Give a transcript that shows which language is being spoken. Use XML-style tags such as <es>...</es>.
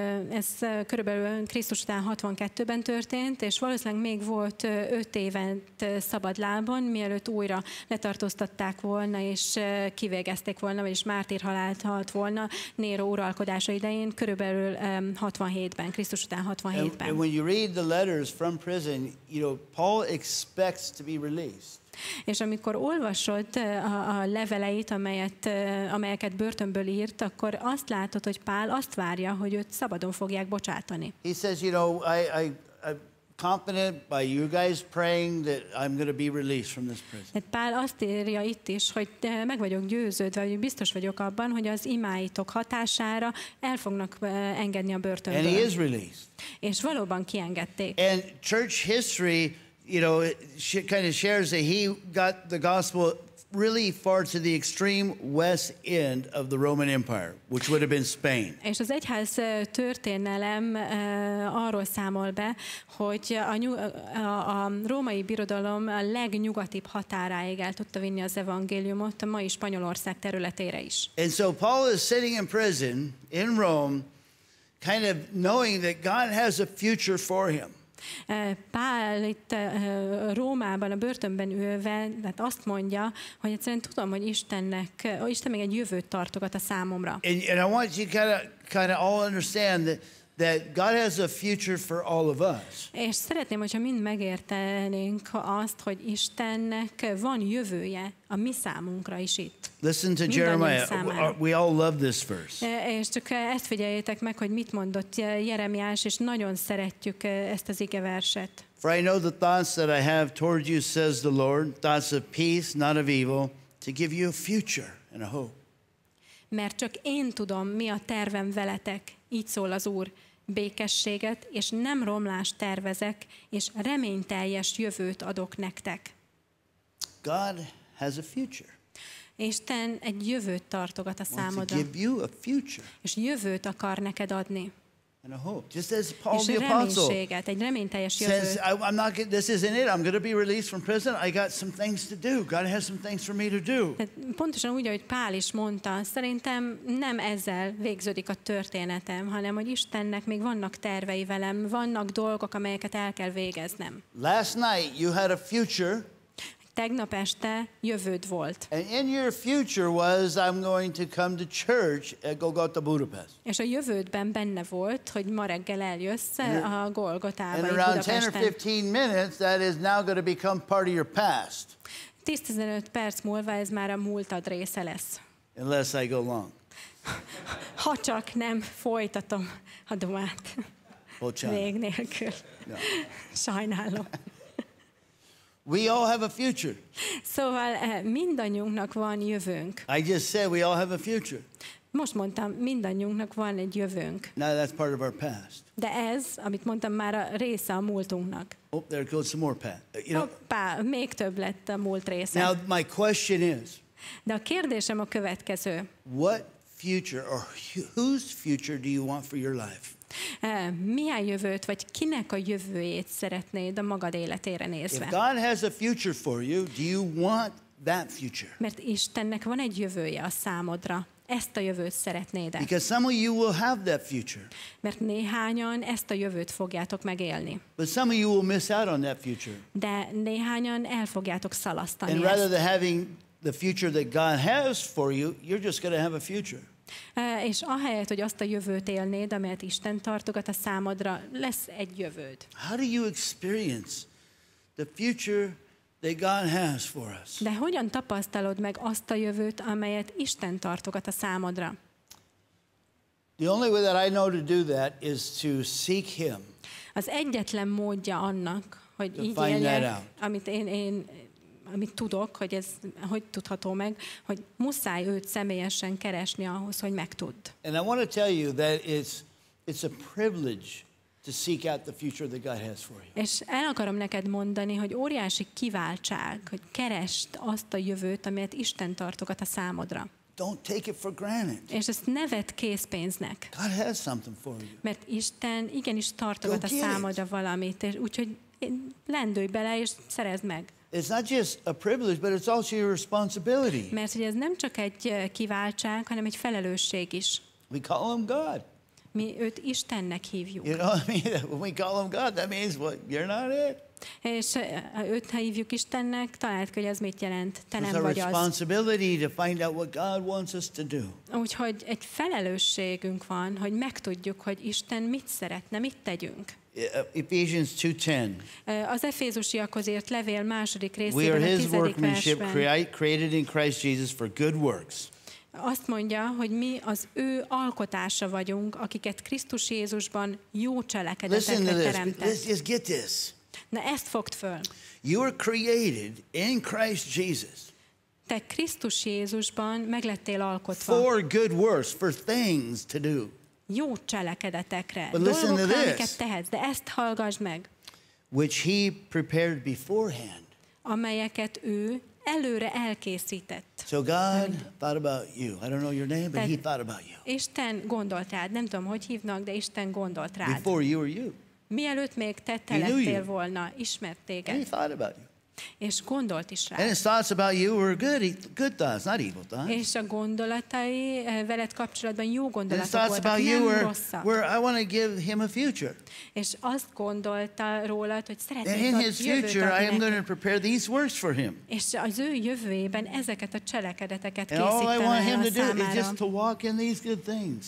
<hu>Ez körülbelül Krisztus után 62-ben történt, és valószínűleg még volt 5 évet szabad lábon, mielőtt újra letartóztatták volna, és kivégezték volna, vagyis mártír halált halt volna Néro uralkodása idején, körülbelül 67-ben, Krisztus után 67-ben.</hu> <en>And when you read the letters from prison, you know, Paul expects to be released.</en> <hu>És amikor olvasod a leveleit, amelyeket börtönből írt, akkor azt látod, hogy Pál azt várja, hogy őt szabadon fogják bocsátani.</hu> <en>He says, you know, I'm confident by you guys praying that I'm going to be released from this prison.</en> <hu>Pál azt írja itt is, hogy meg vagyok győződve, hogy biztos vagyok abban, hogy az imáitok hatására el fognak engedni a börtönből.</hu> <en>And he is released.</en> <hu>És valóban kiengedték.</hu> <en>And church history, you know, she kind of shares that he got the gospel really far to the extreme west end of the Roman Empire, which would have been Spain.</en> <hu>És az egyház történelem arról számol be, hogy a római birodalom a legnyugatibb határáig el tudta vinni az evangéliumot a mai Spanyolország területére is.</hu> <en>And so Paul is sitting in prison in Rome, kind of knowing that God has a future for him.</en> <hu>Pál itt Rómában, a börtönben ülve, tehát azt mondja, hogy egyszerűen tudom, hogy Istennek, Isten még egy jövőt tartogat a számomra.</hu> <en>And I want you to kind of all understand that God has a future for all of us.</en> <hu>És szeretném, hogyha mind megértenénk azt, hogy Istennek van jövője a mi számunkra is itt.</hu> <en>Listen to Jeremiah. We all love this verse.</en> <hu>És csak ezt figyeljétek meg, hogy mit mondott Jeremiás, és nagyon szeretjük ezt az igeverset.</hu> <en>For I know the thoughts that I have toward you, says the Lord, thoughts of peace, not of evil, to give you a future and a hope.</en> <hu>Mert csak én tudom, mi a tervem veletek, így szól az Úr, békességet és nem romlást tervezek, és reményteljes jövőt adok nektek.</hu> <en>God has a future.</en> <hu>Isten egy jövőt tartogat a számodra.</hu> <en>Wants to give you a future.</en> <hu>És jövőt akar neked adni.</hu> <en>And a hope, just as Paul the Apostle says, I'm not. This isn't it. I'm going to be released from prison. I got some things to do. God has some things for me to do.</en> <hu>Pontosan úgy, ahogy Pál is mondta, szerintem nem ezzel végződik a történetem, hanem hogy Istennek még vannak tervei velem, vannak dolgok, amelyeket el kell végeznem.</hu> <en>Last night you had a future.</en> <hu>Tegnap este jövőd volt.</hu> <en>And in your future was I'm going to come to church at Golgotha Budapest.</en> <hu>És a jövődben benne volt, hogy ma reggel eljössz a Golgotába, Budapesten.</hu> <en>And around 10 or 15 minutes that is now going to become part of your past.</en> <hu>10-15 perc múlva ez már a múltad része lesz.</hu> <en>Unless I go long.</en> <hu>Ha csak nem folytatom a domát. Vég nélkül. Sajnálom.</hu> <en>We all have a future.</en> <hu>Szóval mindannyiunknak van jövőnk.</hu> <en>I just said we all have a future.</en> <hu>Most mondtam, mindannyiunknak van egy jövőnk.</hu> <en>Now that's part of our past.</en> <hu>De ez, amit mondtam, már a része a múltunknak.</hu> <en>Oh, there goes some more past. You know,</en> <hu>hoppá, még több lett a múlt része.</hu> <en>Now my question is.</en> <hu>De a kérdésem a következő.</hu> <en>What future or whose future do you want for your life?</en> <hu>Milyen jövőt, vagy kinek a jövőjét szeretnéd a magad életére nézve?</hu> <en>If God has a future for you, do you want that future?</en> <hu>Mert Istennek van egy jövője a számodra. Ezt a jövőt szeretnéd-e?</hu> <en>Because some of you will have that future.</en> <hu>Mert néhányan ezt a jövőt fogjátok megélni.</hu> <en>But some of you will miss out on that future.</en> <hu>De néhányan el fogjátok szalasztani ezt.</hu> <en>And rather than having the future that God has for you, you're just going to have a future.</en> <hu>És ahelyett, hogy azt a jövőt élnéd, amelyet Isten tartogat a számodra, lesz egy jövőd.</hu> <en>How do you experience the future that God has for us?</en> <hu>De hogyan tapasztalod meg azt a jövőt, amelyet Isten tartogat a számodra?</hu> <en>The only way that I know to do that is to seek him.</en> <hu>Az egyetlen módja annak, hogy így éljek, amit amit tudok, hogy ez hogy tudható meg, hogy muszáj őt személyesen keresni ahhoz, hogy megtudd.</hu> <en>And I want to tell you that it's a privilege to seek out the future that God has for you.</en> <hu>És el akarom neked mondani, hogy óriási kiváltság, hogy keresd azt a jövőt, amelyet Isten tartogat a számodra.</hu> <en>Don't take it for granted.</en> <hu>És ezt ne vedd készpénznek.</hu> <en>God has something for you.</en> <hu>Mert Isten igenis tartogat a számodra valamit, és úgyhogy lendülj bele és szerezd meg.</hu> <en>It's not just a privilege, but it's also your responsibility.</en> <hu>Mert hogy ez nem csak egy kiváltság, hanem egy felelősség is.</hu> <en>We call him God.</en> <hu>Mi őt Istennek hívjuk.</hu> <en>You know what I mean? When we call him God, that means what? You're not it.</en> <hu>És őt ha hívjuk Istennek, találd ki, hogy ez mit jelent. Te nem vagy az.</hu> <en>It's our responsibility to find out what God wants us to do.</en> <hu>Úgyhogy egy felelősségünk van, hogy megtudjuk, hogy Isten mit szeretne, mit tegyünk.</hu> <en>Ephesians 2:10.</en> <hu>Az Efézusiakhoz írt levél második részében.</hu> <en>We are his workmanship, created in Christ Jesus for good works.</en> <hu>Azt mondja, hogy mi az ő alkotása vagyunk, akiket Krisztus Jézusban jó cselekedetekre teremtett. Na ezt fogd föl.</hu> <en>You are created in Christ Jesus.</en> <hu>Te Krisztus Jézusban meglettél alkotva.</hu> <en>For good works, for things to do.</en> <hu>Jó cselekedetekre, dolgokra, amiket tehetsz, de ezt hallgass meg.</hu> <en>Which he prepared beforehand.</en> <hu>Amelyeket ő előre elkészített.</hu> <en>So God thought about you. I don't know your name, but he thought about you.</en> <hu>Isten gondolt rád. Nem tudom, hogy hívnak, de Isten gondolt rád.</hu> <en>Before you were you.</en> <hu>Mielőtt még te telettél volna, ismert téged.</hu> <en>And he thought about you.</en> <hu>És gondolt is rá.</hu> <en>And his thoughts about you were good thoughts, not evil thoughts.</en> <hu>És a gondolatai veled kapcsolatban jó gondolatok voltak, nem rosszak.</hu> <en>And his thoughts about you were, I want to give him a future.</en> <hu>És azt gondolta rólad, hogy szeretnéd a jövőt adni.</hu> <en>And in his future, I am going to prepare these works for him.</en> <hu>És az ő jövőjében ezeket a cselekedeteket készítenem számára.</hu> <en>And all I want him to do is just to walk in these good things.</en>